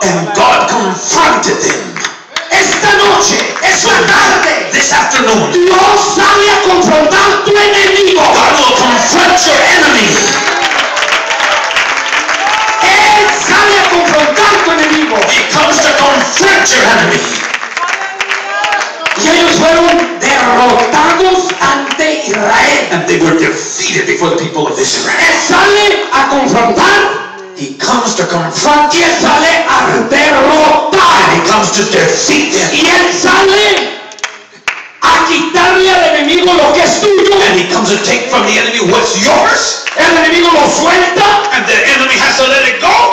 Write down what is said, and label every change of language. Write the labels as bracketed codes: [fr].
[en] And God confronted them. [es] Esta noche, esta tarde. [en] This afternoon. [es] Dios sale a confrontar tu enemigo. [en] God will confront your enemy. [es] Él sale a confrontar tu enemigo. [en] He comes to confront your enemy. [es] Y ellos fueron derrotados ante Israel. [en] And they were defeated before the people of Israel. [es] Él sale a confrontar. [en] He comes to confront. [es] Y él sale a derrotar. [en] And he comes to defeat them. [es] Y él sale a quitarle al enemigo lo que es tuyo. [en] And he comes to take from the enemy what's yours. [es] El enemigo lo suelta. [en] And the enemy has to let it go.